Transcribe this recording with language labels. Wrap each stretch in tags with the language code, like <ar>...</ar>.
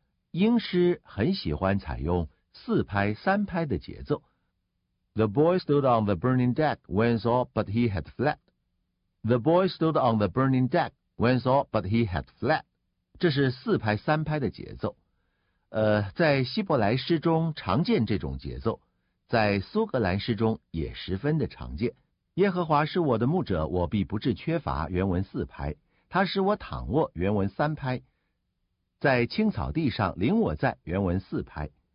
<zh>英诗很喜欢采用四拍三拍的节奏。</zh> <en>The boy stood on the burning deck when saw but he had fled. The boy stood on the burning deck when saw but he had fled.</en> <zh>这是四拍三拍的节奏。在希伯来诗中常见这种节奏，在苏格兰诗中也十分的常见。耶和华是我的牧者，我必不致缺乏。原文四拍。他使我躺卧，原文三拍。在青草地上领我在，原文四拍。</zh>